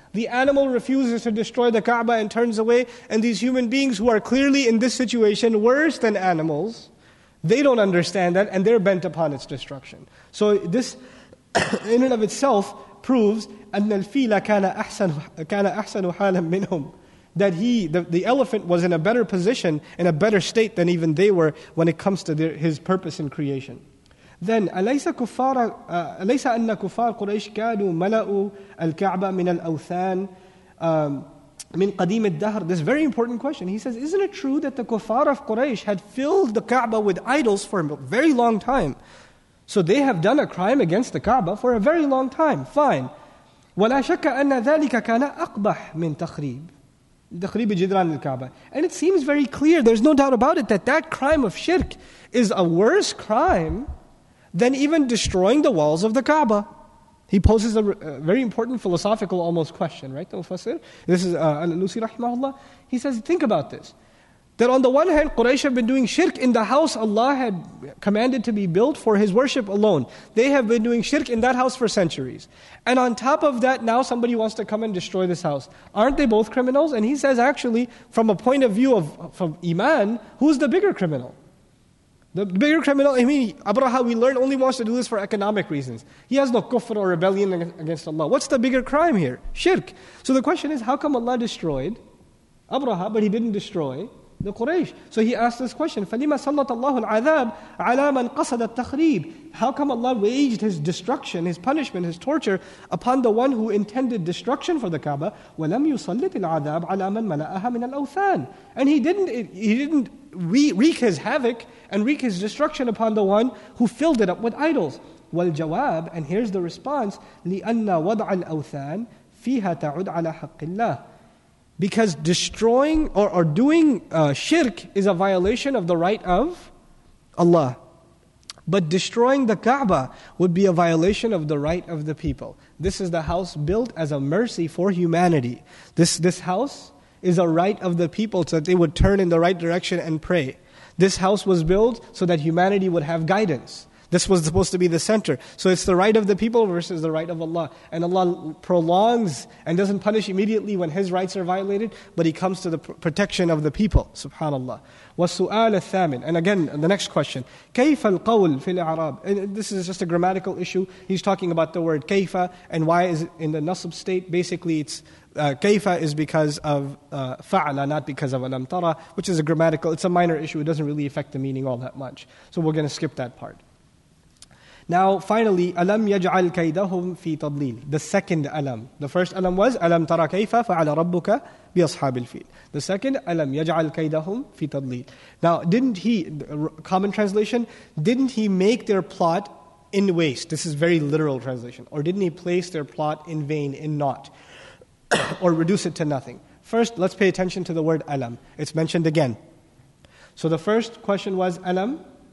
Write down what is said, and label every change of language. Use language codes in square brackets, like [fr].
[en] The animal refuses to destroy the Kaaba and turns away, and these human beings who are clearly in this situation worse than animals, they don't understand that and they're bent upon its destruction. So this in and of itself proves [ar] أَنَّ الْفِيلَ كَانَ أَحْسَنُ حَالًا مِّنْهُمْ, [en] that the elephant was in a better position, in a better state than even they were when it comes to his purpose in creation. Then [ar] أليس أن كفار قريش كانوا ملأوا الكعبة من الأوثان من قديم الدهر. [en] This very important question. He says, isn't it true that the kufar of Quraysh had filled the Kaaba with idols for a very long time? So they have done a crime against the Kaaba for a very long time. Fine. [ar] ولا شك أن ذلك كان أقبح من تخريب تخريب جدران الكعبة. [en] And it seems very clear. There's no doubt about it that crime of shirk is a worse crime than even destroying the walls of the Kaaba. He poses a very important philosophical almost question, right? Al-Fasir. This is Al-Alusi rahimahullah. He says, think about this. That on the one hand, Quraysh have been doing shirk in the house Allah had commanded to be built for His worship alone. They have been doing shirk in that house for centuries. And on top of that, now somebody wants to come and destroy this house. Aren't they both criminals? And he says, actually, from a point of view of from Iman, who's the bigger criminal? The bigger criminal, I mean, Abraha, we learn, only wants to do this for economic reasons. He has no kufr or rebellion against Allah. What's the bigger crime here? Shirk. So the question is, how come Allah destroyed Abraha, but He didn't destroy the Quraysh? So he asked this question, [ar] فَلِمَا سَلَّطَ اللَّهُ الْعَذَابِ عَلَى مَنْ قَصَدَ التَّخْرِيبِ. [en] How come Allah waged His destruction, His punishment, His torture upon the one who intended destruction for the Kaaba? [ar] وَلَمْ يُسَلِّطِ الْعَذَابِ عَلَى مَنْ مَلَأَهَا مِنَ الْأَوْثَانِ. [en] And He didn't wreak His havoc and wreak His destruction upon the one who filled it up with idols. [ar] وَالْجَوَابِ. [en] And here's the response, [ar] لِأَنَّ وَضْعَ الْأَوْثَانِ فِيهَا تَعُدْ عَلَى حَقِّ اللَّهِ. [en] Because destroying or doing shirk is a violation of the right of Allah. But destroying the Kaaba would be a violation of the right of the people. This is the house built as a mercy for humanity. This house is a right of the people so that they would turn in the right direction and pray. This house was built so that humanity would have guidance. This was supposed to be the center. So it's the right of the people versus the right of Allah. And Allah prolongs and doesn't punish immediately when His rights are violated, but He comes to the protection of the people. [ar] Subhanallah. وَالسُؤَالَ الثَّامِنِ. [en] And again, the next question. [ar] كَيْفَ الْقَوْلِ فِي الْعَرَابِ. [en] This is just a grammatical issue. He's talking about the word كَيْفَ and why is it in the nasb state. Basically, it's كَيْفَ is because of فَعْلَ, not because of [ar] أَلَمْ تَرَى, [en] which is a grammatical, it's a minor issue. It doesn't really affect the meaning all that much. So we're going to skip that part. Now, finally, [ar] أَلَمْ يَجْعَلْ كَيْدَهُمْ فِي تَضْلِيلٍ. [en] The second أَلَمْ. The first [ar] أَلَمْ [en] was, [ar] أَلَمْ تَرَى كَيْفَ فَعَلَ رَبُّكَ بِأَصْحَابِ الْفِيلِ. [en] The second, [ar] أَلَمْ يَجْعَلْ كَيْدَهُمْ فِي تَضْلِيلٍ. [en] Now, didn't he, common translation, didn't he make their plot in waste? This is very literal translation. Or didn't he place their plot in vain, in naught, or reduce it to nothing? First, let's pay attention to the word أَلَمْ. It's mentioned again. So the first question was أَلَمْ.